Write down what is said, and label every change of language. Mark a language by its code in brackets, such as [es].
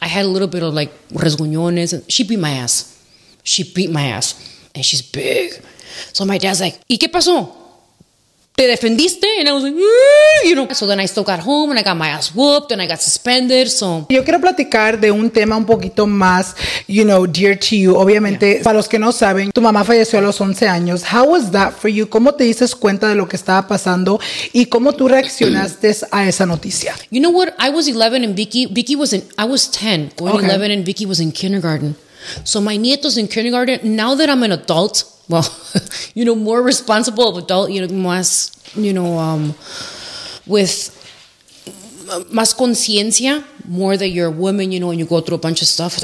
[en] I had a little bit of like, resguñones. And she beat my ass. She beat my ass. And she's big. So my dad's like, [es] ¿y qué pasó? ¿Te defendiste? [en] And I was like, you know. So then I still got home and I got my ass whooped and I got suspended. So [es] yo quiero platicar de un tema un poquito más, [en] you know, dear to you. [es] Obviamente, yeah. Para los que no saben, tu mamá falleció a los 11 años. [en] How was that for you? [es] ¿Cómo te dices cuenta de lo que estaba pasando? ¿Y cómo tú reaccionaste a esa noticia? [en] You know what? I was 11 and Vicky was in, I was 10. Going 11 and Vicky was in kindergarten. So my nieto's in kindergarten. Now that I'm an adult, well, you know, more responsible of adult, you know, más, you know, with [es] más conciencia, [en] more that you're a woman, you know, and you go through a bunch of stuff.